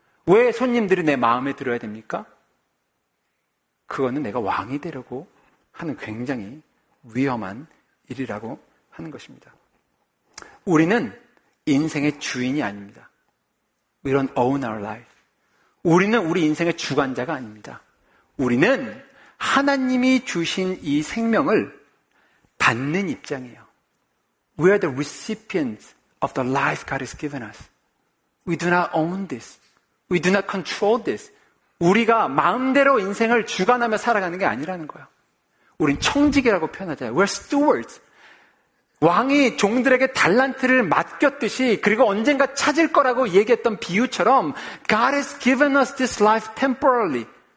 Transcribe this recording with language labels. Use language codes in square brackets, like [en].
[ko] 왜 손님들이 내 마음에 들어야 됩니까? 그거는 내가 왕이 되려고 하는 굉장히 위험한 일이라고 하는 것입니다. 우리는 인생의 주인이 아닙니다. [en] We don't own our life. [ko] 우리는 우리 인생의 주관자가 아닙니다. 우리는 하나님이 주신 이 생명을 받는 입장이에요. [en] We are the recipients of the life God has given us. We do not own this. We do not control this. [ko] 우리가 마음대로 인생을 주관하며 살아가는 게 아니라는 거야. 우린 청지기라고 표현하잖아요. [en] We're stewards. [ko] 왕이 종들에게 달란트를 맡겼듯이 그리고 언젠가 찾을 거라고 얘기했던 비유처럼 [en] God has given us this life temporarily.